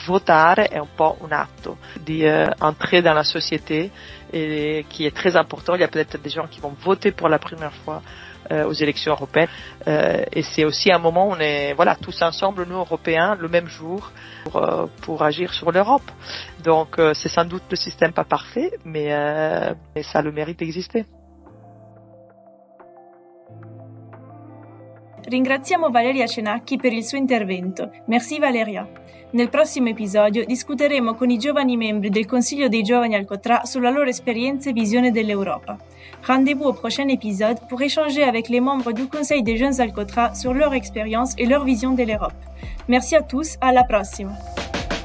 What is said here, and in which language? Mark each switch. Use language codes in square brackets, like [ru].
[it] Votare è un po' un atto di [fr] entrer dans la société, qui est très important. Il y a peut-être des gens qui vont voter pour la première fois aux élections européennes, et c'est aussi un moment où on est, voilà, tous ensemble, nous Européens, le même jour pour agir sur l'Europe. Donc c'est sans doute le système pas parfait, mais ça a le mérite d'exister. [it] Ringraziamo Valeria Cenacchi per il suo intervento. [fr] Merci Valeria. [it] Nel prossimo episodio discuteremo con i giovani membri del Consiglio dei Giovani Alcotra sulla loro esperienza e visione dell'Europa. [fr] Rendez-vous au prochain épisode pour échanger avec les membres du Conseil des Jeunes Alcotra sur leur expérience et leur vision de l'Europe. Merci à tous, [it] alla prossima!